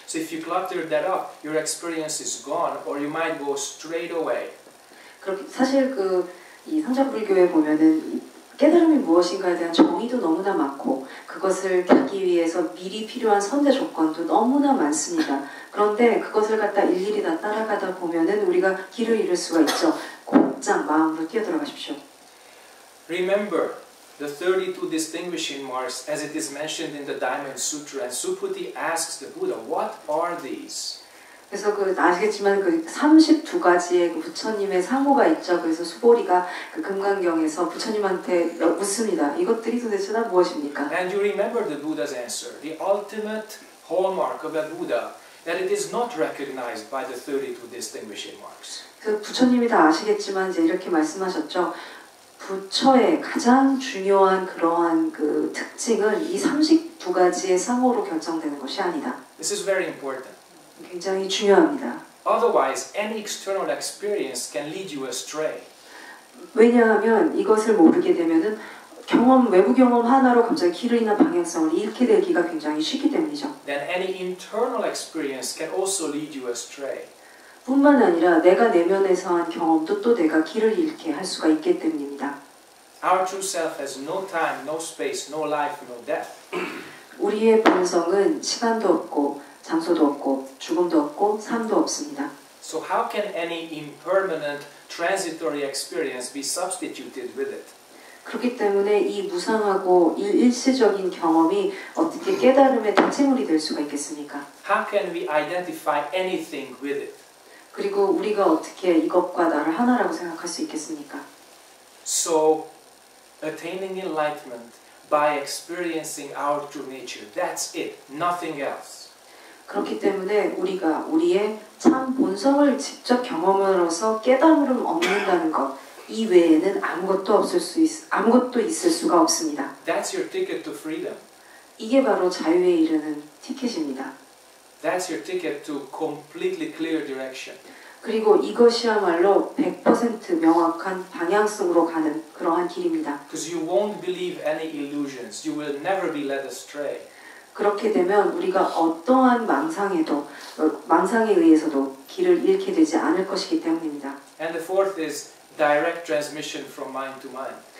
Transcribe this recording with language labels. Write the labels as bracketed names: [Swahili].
[English] So if you clutter that up, your experience is gone, or you might go straight away. [Korean] 그렇게 사실 그 이 성자 불교에 보면은 깨달음이 무엇인가에 대한 정의도 너무나 많고 그것을 겪기 위해서 미리 필요한 선제 조건도 너무나 많습니다. 그런데 그것을 갖다 일일이 다 따라가다 보면은 우리가 길을 잃을 수가 있죠. 곧장 마음으로 뛰어들어가십시오. [English] Remember. The 32 distinguishing marks, as it is mentioned in the Diamond Sutra, and Suputi asks the Buddha, "What are these?" [Korean] 그래서 그 아시겠지만 그 32 가지의 부처님의 상호가 있죠. 그래서 수보리가 그 금강경에서 부처님한테 묻습니다. 이것들이 도대체 다 무엇입니까? [English] And you remember the Buddha's answer, the ultimate hallmark of a Buddha, that it is not recognized by the 32 distinguishing marks. [Korean] 그 부처님이 다 아시겠지만 이제 이렇게 말씀하셨죠. 부처의 가장 중요한 그러한 그 특징은 이 32 가지의 상호로 결정되는 것이 아니다. [English] This is very important. [Korean] 굉장히 중요합니다. [English] Otherwise, any external experience can lead you astray. [Korean] 왜냐하면 이것을 모르게 되면은 경험 외부 경험 하나로 갑자기 길을 잃는 방향성을 잃게 되기가 굉장히 쉽기 때문이죠. [English] Then any internal experience can also lead you astray. [Korean] 뿐만 아니라 내가 내면에서 한 경험도 또 내가 길을 잃게 할 수가 있기 때문입니다. [English] Our true self has no time, no space, no life, no death. [Korean] 우리의 본성은 시간도 없고 장소도 없고 죽음도 없고 삶도 없습니다. [English] So how can any impermanent, transitory experience be substituted with it? [Korean] 그렇기 때문에 이 무상하고 일시적인 경험이 어떻게 깨달음의 대체물이 될 수가 있겠습니까? [English] How can we identify anything with it? [Korean] 그리고 우리가 어떻게 이것과 나를 하나라고 생각할 수 있겠습니까? [English] So, attaining enlightenment by experiencing our true nature. That's it. Nothing else. [Korean] 그렇기 때문에 우리가 우리의 참 본성을 직접 경험으로서 깨달음을 얻는다는 것 이외에는 아무것도 없을 수 있, 아무것도 있을 수가 없습니다. [English] That's your ticket to freedom. [Korean] 이게 바로 자유에 이르는 티켓입니다. [English] That's your ticket to completely clear direction. [Korean] 그리고 이것이야말로 100% 명확한 방향성으로 가는 그러한 길입니다. [English] Because you won't believe any illusions. You will never be led astray. [Korean] 그렇게 되면 우리가 어떠한 망상에도 망상에 의해서도 길을 잃게 되지 않을 것이기 때문입니다. [English] And the fourth is direct transmission from mind to mind.